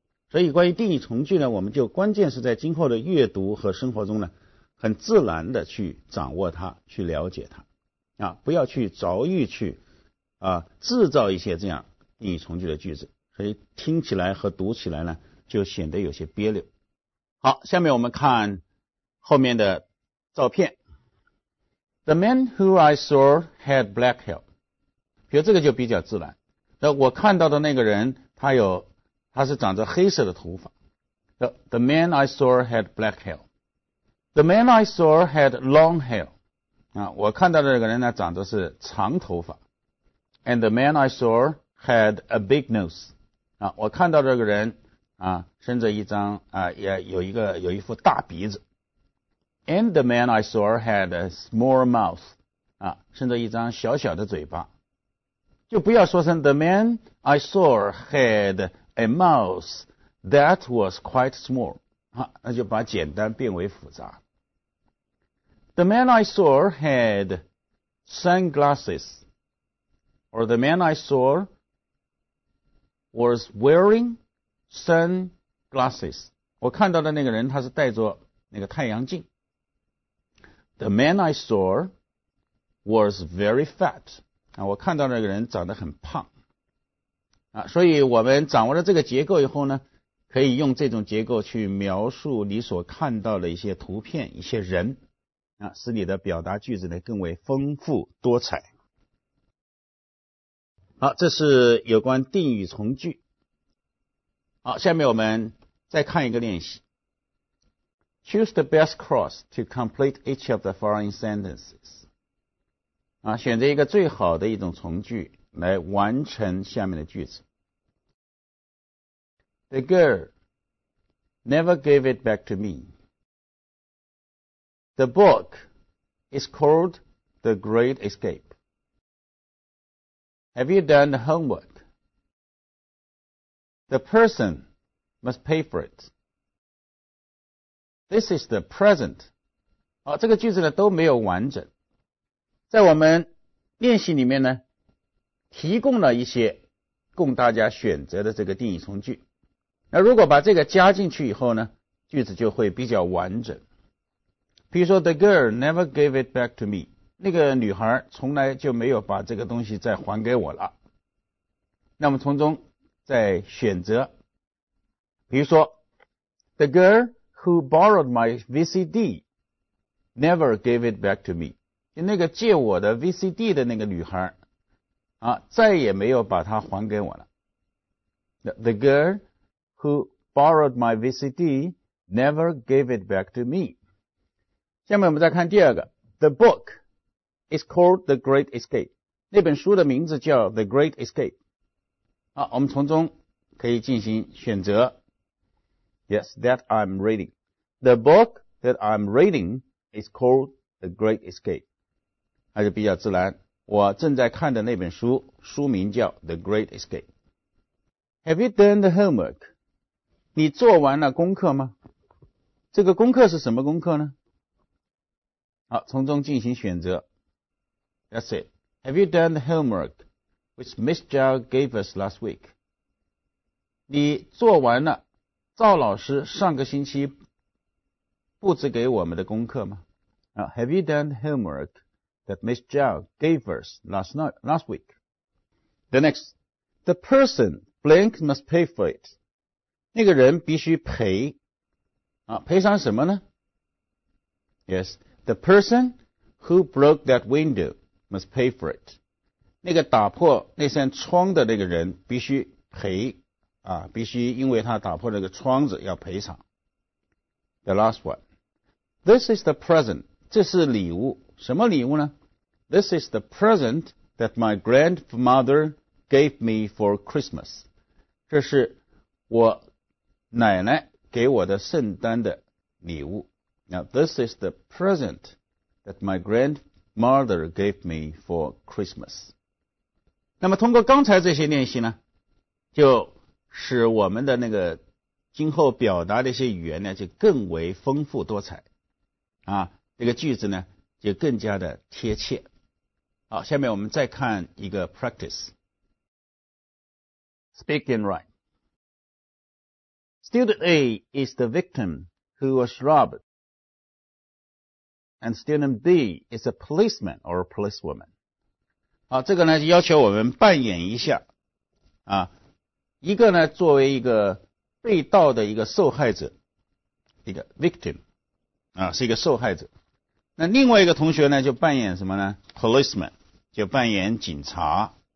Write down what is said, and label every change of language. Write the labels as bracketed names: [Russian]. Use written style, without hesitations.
[Chinese] 所以关于定语从句呢，我们就关键是在今后的阅读和生活中呢很自然的去掌握它，去了解它啊，不要去着意去啊制造一些这样定语从句的句子，所以听起来和读起来呢就显得有些别扭。好，下面我们看后面的照片。 [English] The man who I saw had black hair. [Chinese] 比如这个就比较自然。那我看到的那个人，他是长着黑色的头发。 [English] The man I saw had black hair. The man I saw had long hair. [Chinese] 啊，我看到的那个人呢，长的是长头发。 [English] And the man I saw had a big nose. [Chinese] 啊，我看到的那个人啊，伸着一张啊，也有一副大鼻子。 [English] And the man I saw had a small mouth. [Chinese] 啊，伸着一张小小的嘴巴。就不要说成 [English] the man I saw had a mouth that was quite small. [Chinese] 啊，那就把简单变为复杂。 [English] The man I saw had sunglasses. Or the man I saw was wearing sunglasses. [Chinese] 我看到的那个人他是戴着那个太阳镜。 [English] The man I saw was very fat. [Chinese] 啊，我看到那个人长得很胖。啊，所以我们掌握了这个结构以后呢，可以用这种结构去描述你所看到的一些图片、一些人，啊，使你的表达句子呢更为丰富多彩。好，这是有关定语从句。好，下面我们再看一个练习。 [English] Choose the best cross to complete each of the following sentences. [Chinese] 啊，选择一个最好的一种从句来完成下面的句子。 [English] The girl never gave it back to me. The book is called The Great Escape. Have you done the homework? The person must pay for it. This is the present. [Chinese] 好，这个句子呢都没有完整。在我们练习里面呢提供了一些供大家选择的这个定语从句。那如果把这个加进去以后呢，句子就会比较完整。比如说 [English] The girl never gave it back to me. [Chinese] 那个女孩从来就没有把这个东西再还给我了。那么从中再选择。比如说 [English] The girlWho borrowed my VCD never gave it back to me. [Chinese] 就那个借我的 VCD 的那个女孩啊，再也没有把它还给我了。 [English] The girl who borrowed my VCD never gave it back to me. [Chinese] 下面我们再看第二个。 [English] The book is called The Great Escape. [Chinese] 那本书的名字叫 The Great Escape. 好，我们从中可以进行选择。 [English] Yes, that I'm reading. The book that I'm reading is called The Great Escape. [Chinese] 还是比较自然。我正在看的那本书，书名叫 The Great Escape. [English] Have you done the homework? [Chinese] 你做完了功课吗？这个功课是什么功课呢？好，从中进行选择。 [English] That's it. Have you done the homework which Miss Zhao gave us last week? [Chinese] 你做完了赵老师上个星期布置给我们的功课吗？ [English] Have you done homework that Miss Zhao gave us last week? The next, the person blank must pay for it. [Chinese] 那个人必须赔啊，赔偿什么呢？ [English] Yes, the person who broke that window must pay for it. [Chinese] 那个打破那扇窗的那个人必须赔啊，必须因为他打破这个窗子要赔偿。 [English] The last one. This is the present. [Chinese] 这是礼物。什么礼物呢？ [English] This is the present that my grandmother gave me for Christmas. [Chinese] 这是我奶奶给我的圣诞的礼物。 [English] Now, this is the present that my grandmother gave me for Christmas. [Chinese] 那么通过刚才这些练习呢，就使我们的那个今后表达的一些语言呢就更为丰富多彩啊，这个句子呢就更加的贴切。好，下面我们再看一个 practice. [English] Speak and write. Student A is the victim who was robbed, and student B is a policeman or a policewoman. [Chinese] 好，这个呢就要求我们扮演一下啊，一个呢作为一个被盗的一个受害者，一个 victim 啊，是一个受害者。那另外一个同学呢就扮演什么呢 policeman， 就扮演警察。